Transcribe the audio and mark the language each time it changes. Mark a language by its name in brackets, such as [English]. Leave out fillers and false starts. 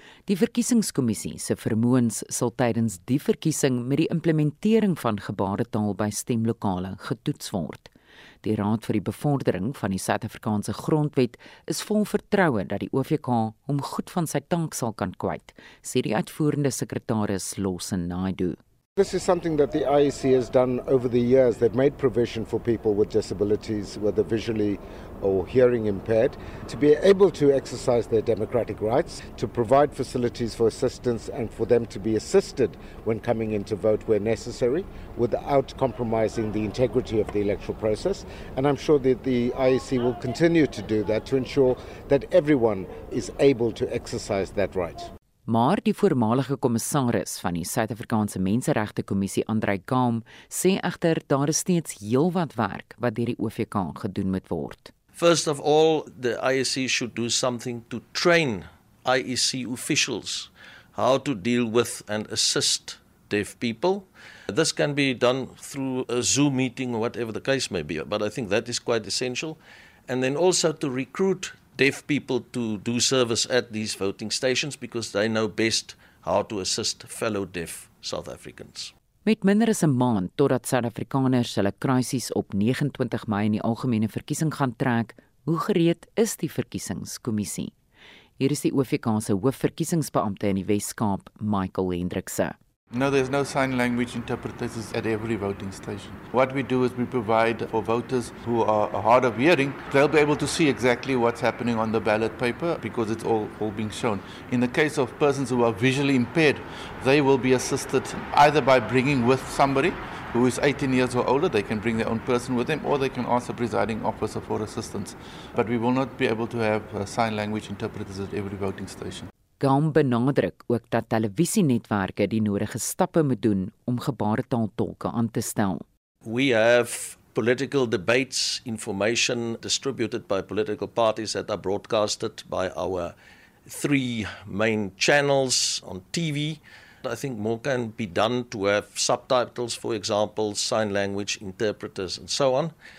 [Afrikaans] Die verkiesingskommissie se vermoëns sal tydens die verkiesing met die implementering van gebaretaal by stemlokale getoets word. Die Raad vir die Bevordering van die Suid-Afrikaanse Grondwet is vol vertroue dat die OVK hom goed van sy tank sal kan kwyt, sê die uitvoerende sekretaris Losen Naidu. [English] This is something that the IEC has done over the years. They've made provision for people with disabilities, whether visually or hearing impaired, to be able to exercise their democratic rights, to provide facilities for assistance and for them to be assisted when coming in to vote where necessary, without compromising the integrity of the electoral process. And I'm sure that the IEC will continue to do that to ensure that everyone is able to exercise that right. [Afrikaans] Maar die voormalige kommissaris van die Suid-Afrikaanse Menseregte Kommissie, Andrei Kaam, sê egter daar is steeds heelwat werk wat deur die OVK gedoen moet word. [English] First of all, the IEC should do something to train IEC officials how to deal with and assist deaf people. This can be done through a Zoom meeting or whatever the case may be, but I think that is quite essential. And then also to recruit deaf people to do service at these voting stations because they know best how to assist fellow deaf South Africans. [Afrikaans] Met minder as 'n maand totdat Suid-Afrikaners hulle kruisies op 29 Mei in die algemene verkiesing gaan trek, hoe gereed is die verkiesingskommissie? Hier is die OVK se hoofverkiesingsbeampte in die Wes-Kaap, Michael Hendrikse. [English] No, there's no sign language interpreters at every voting station. What we do is we provide for voters who are hard of hearing, they'll be able to see exactly what's happening on the ballot paper because it's all being shown. In the case of persons who are visually impaired, they will be assisted either by bringing with somebody who is 18 years or older, they can bring their own person with them, or they can ask the presiding officer for assistance. But we will not be able to have sign language interpreters at every voting station. [Afrikaans] Gaan benadruk ook dat televisienetwerke die nodige stappe moet doen om gebaretaaltolke aan te stel. [English] We have political debates, information distributed by political parties that are broadcasted by our three main channels on TV. I think more can be done to have subtitles, for example, sign language interpreters and so on.